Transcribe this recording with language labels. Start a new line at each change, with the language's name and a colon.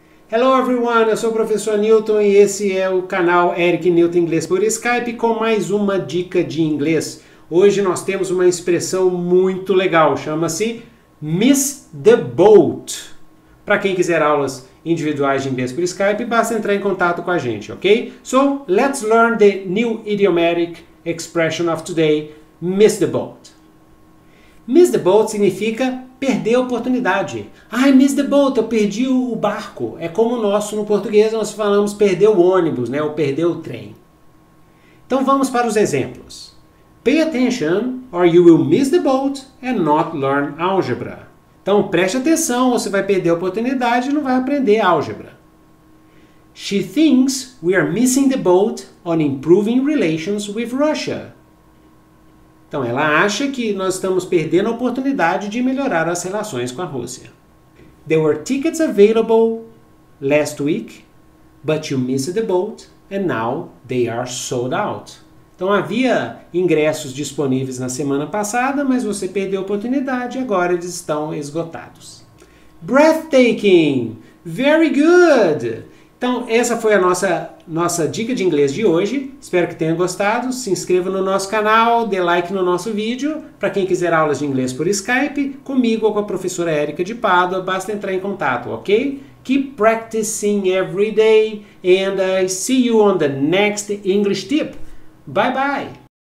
English: Hello everyone,
Portuguese: eu sou o professor Newton e esse é o canal Eric Newton Inglês por Skype com mais uma dica de inglês. Hoje nós temos uma expressão muito legal, chama-se Miss the Boat. Para quem quiser aulas individuais de inglês por Skype, basta entrar em contato com a gente, ok?
English: So, let's learn the new idiomatic expression of today, Miss the Boat.
Portuguese: Miss the boat significa perder a oportunidade.
English: I miss the boat,
Portuguese: eu perdi o barco. É como o nosso no português, nós falamos perder o ônibus, né? Ou perder o trem. Então vamos para os exemplos.
English: Pay attention or you will miss the boat and not learn algebra.
Portuguese: Então preste atenção, você vai perder a oportunidade e não vai aprender álgebra.
English: She thinks we are missing the boat on improving relations with Russia.
Portuguese: Então, ela acha que nós estamos perdendo a oportunidade de melhorar as relações com a Rússia.
English: There were tickets available last week, but you missed the boat and now they are sold out.
Portuguese: Então, havia ingressos disponíveis na semana passada, mas você perdeu a oportunidade e agora eles estão esgotados.
English: Breathtaking! Very good!
Portuguese: Então, essa foi a nossa dica de inglês de hoje. Espero que tenha gostado. Se inscreva no nosso canal, dê like no nosso vídeo. Para quem quiser aulas de inglês por Skype, comigo ou com a professora Erika de Padua, basta entrar em contato, ok?
English: Keep practicing every day and I see you on the next English tip. Bye bye!